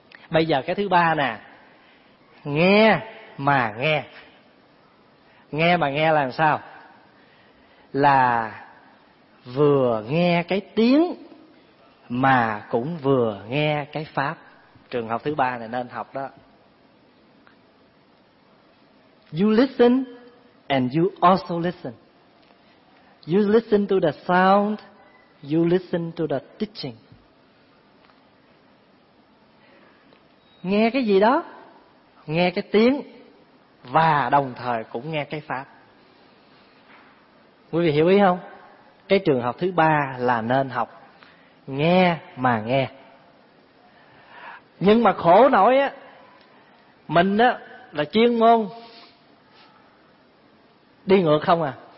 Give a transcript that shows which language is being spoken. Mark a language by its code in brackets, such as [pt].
[vi] Bây giờ cái thứ ba nè, nghe mà nghe. Nghe mà nghe là sao? Là vừa nghe cái tiếng mà cũng vừa nghe cái pháp. Trường hợp thứ ba này nên học đó. [en] You listen and you also listen. You listen to the sound, you listen to the teaching. [vi] Nghe cái gì đó? Nghe cái tiếng và đồng thời cũng nghe cái pháp. Quý vị hiểu ý không? Cái trường hợp thứ ba là nên học. Nghe mà nghe. Nhưng mà khổ nổi á, mình á là chuyên môn đi ngược không à.